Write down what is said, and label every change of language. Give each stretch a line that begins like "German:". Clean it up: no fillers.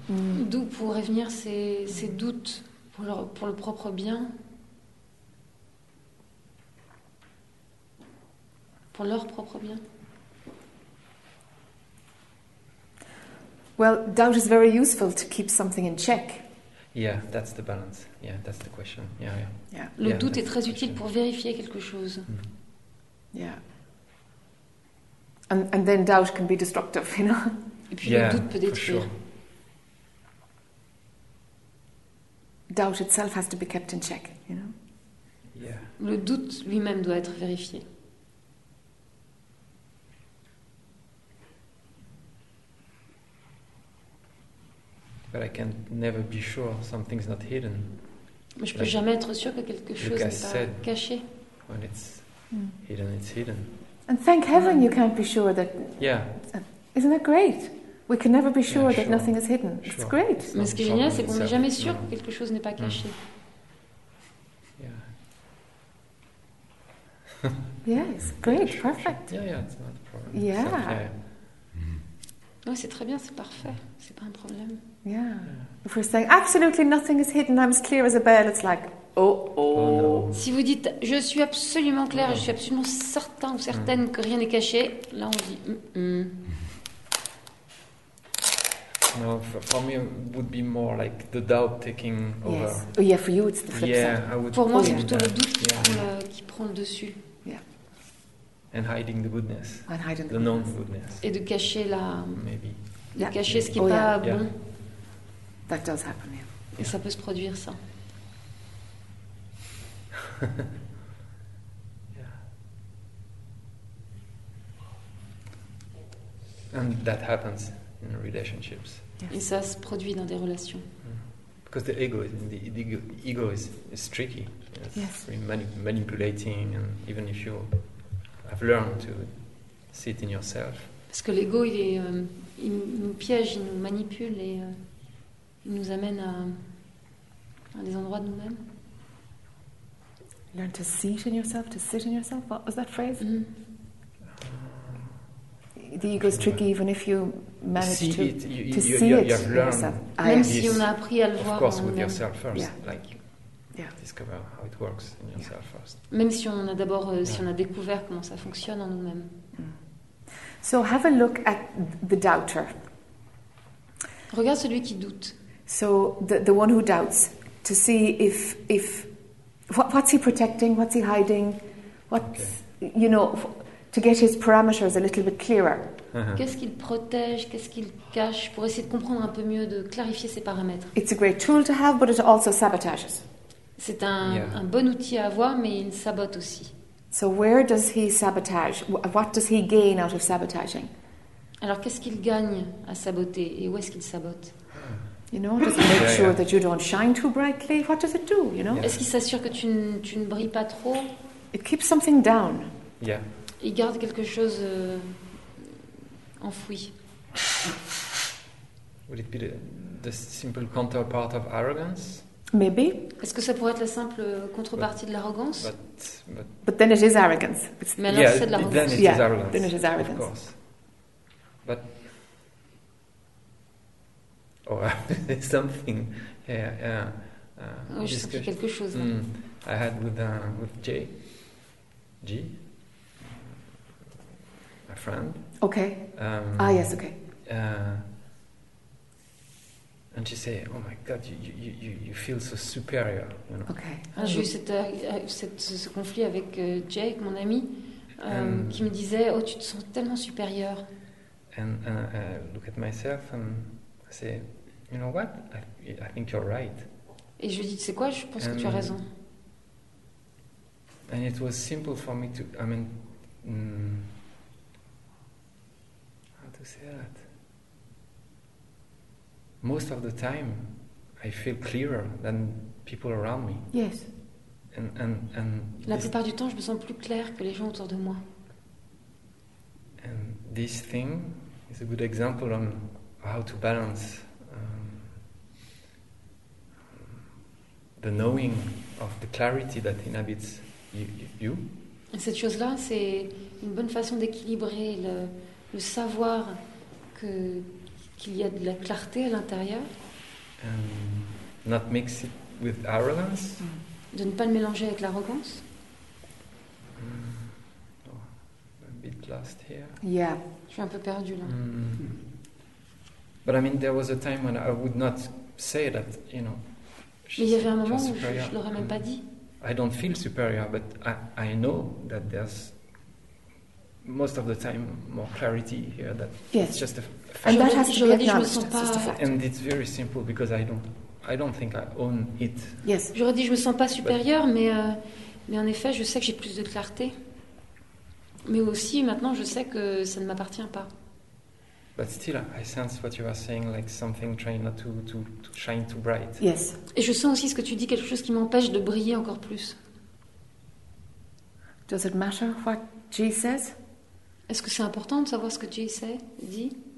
French: D'où pourraient venir ces doutes pour le propre bien, pour leur propre bien.
English: Well, doubt is very useful to keep something in check. Yeah, that's the balance. Yeah, that's the question. Yeah, yeah.
French: Le doute est très utile pour vérifier quelque chose.
English: Mm. Yeah. And then doubt can be destructive, you know.
French: Et puis le doute peut détruire.
English: Sure. Doubt itself has to be kept in check, you know. Yeah.
French: Le doute lui-même doit être vérifié.
English: But I can never be sure something's not hidden.
French: Mais je peux jamais être sûr que quelque chose n'est pas caché.
English: When it's hidden, it's hidden. And thank heaven you can't be sure that... Yeah. Isn't that great? We can never be sure that nothing is hidden. Sure. It's great.
French: Mais ce qui est génial, c'est qu'on n'est jamais sûr que quelque chose n'est pas caché.
English: Yes, great, perfect. Sure. Yeah, it's not a problem. Yeah.
French: Oui, c'est très bien, c'est parfait. C'est pas un problème.
English: Yeah. If we're saying, absolutely nothing is hidden, I'm as clear as a bell, it's like... Oh, no.
French: Si vous dites je suis absolument clair, je suis absolument certain ou certaine que rien n'est caché, là on dit
English: No, for me it would be more like the doubt taking over. Yes. Oh, yeah, for you it's the flip side.
French: Pour moi c'est plutôt le doute qui prend le dessus.
English: Yeah. And hiding the goodness. And hiding the known goodness.
French: Et de cacher la
English: maybe.
French: De cacher ce qui n'est pas bon.
English: That does happen.
French: Et ça peut se produire ça.
English: Yeah. And that happens in relationships.
French: Et ça se produit dans des relations.
English: Because the ego is tricky. It's very manipulating, and even if you have learned to see it in yourself.
French: Parce que l'ego il nous piège, il nous manipule et il nous amène à des endroits de nous-mêmes.
English: Learn to see it in yourself, to sit in yourself. What was that phrase? Mm-hmm. The ego is tricky even if you manage to see it in yourself. Of course, with yourself first. Yeah. Like, discover how it works in yourself first.
French: Même si on a d'abord, si on a découvert comment ça fonctionne en nous-mêmes.
English: So have a look at the doubter.
French: Regarde celui qui doute.
English: So the one who doubts, to see if what's he protecting? What's he hiding? You know, to get his parameters a little bit clearer. Uh-huh.
French: Qu'est-ce qu'il protège? Qu'est-ce qu'il cache? Pour essayer de comprendre un peu mieux, de clarifier ses paramètres.
English: It's a great tool to have, but it also sabotages.
French: C'est un bon outil à avoir, mais il sabote aussi.
English: So where does he sabotage? What does he gain out of sabotaging?
French: Alors qu'est-ce qu'il gagne à saboter? Et où est-ce qu'il sabote?
English: You know, does it make sure that you don't shine too brightly? What does it do, you know?
French: Est-ce qu'il s'assure que tu ne brilles pas trop?
English: It keeps something down. Yeah.
French: Il garde quelque chose enfoui.
English: Would it be the simple counterpart of arrogance? Maybe.
French: Est-ce que ça pourrait être la simple contrepartie de l'arrogance?
English: But then it is arrogance. It's,
French: mais alors
English: yeah,
French: c'est de l'arrogance.
English: Then it yeah, is arrogance. Then it is arrogance. Of course. But oh, something. Yeah, yeah.
French: Oui, je sentais quelque chose.
English: Mm, I had with Jay. G. A friend. Okay. Yes. Okay. And she said, "Oh my God, you feel so superior." You know? Okay.
French: J'ai eu ce conflit avec Jay, mon ami, qui me disait, "Oh, tu te sens tellement supérieur."
English: And I look at myself and I say, "You know what? I think you're right."
French: Et je lui dis, "Tu sais quoi? Je pense que tu as raison."
English: And it was simple for me to. I mean. Say that. Most of the time, I feel clearer than people around me. Yes. And
French: la plupart du temps, je me sens plus clair que les gens autour de moi.
English: And this thing is a good example on how to balance the knowing of the clarity that inhabits you.
French: Et cette chose-là, c'est une bonne façon d'équilibrer le savoir. Qu'il y a de la clarté à l'intérieur.
English: Not mix it with arrogance.
French: De ne pas le mélanger avec l'arrogance.
English: Oh, a bit lost here. Yeah.
French: Je suis un peu perdu là.
English: But I mean, there was a time when I would not say that, you know.
French: Mais il y avait un moment où je ne l'aurais même pas dit.
English: I don't feel superior, but I know that there's. Most of the time, more clarity here. That yes. It's just a fact. And that has to be acknowledged. And it's very simple because I don't think I own it. Yes.
French: J'aurais dit je me sens pas supérieur, mais en effet, je sais que j'ai plus de clarté. Mais aussi, maintenant, je sais que ça ne m'appartient pas.
English: But still, I sense what you are saying, like something trying not to shine too bright. Yes.
French: Et je sens aussi ce que tu dis, quelque chose qui m'empêche de briller encore plus.
English: Does it matter what G says?
French: Est-ce que c'est important de savoir ce que Jay sait, dit?